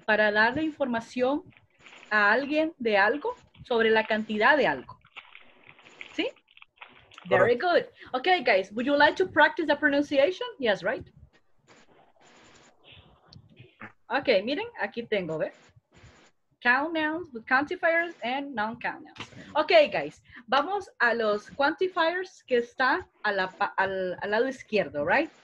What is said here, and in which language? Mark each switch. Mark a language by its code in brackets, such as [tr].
[es] Para darle información a alguien de algo sobre la cantidad de algo. ¿Sí? [en] Correct. Very good. Okay, guys, would you like to practice the pronunciation? Yes, right? Okay, [es] miren, aquí tengo, ¿ves? [en] Count nouns with quantifiers and non-count nouns. Okay, guys, [es] vamos a los quantifiers que están al lado izquierdo, [en] right?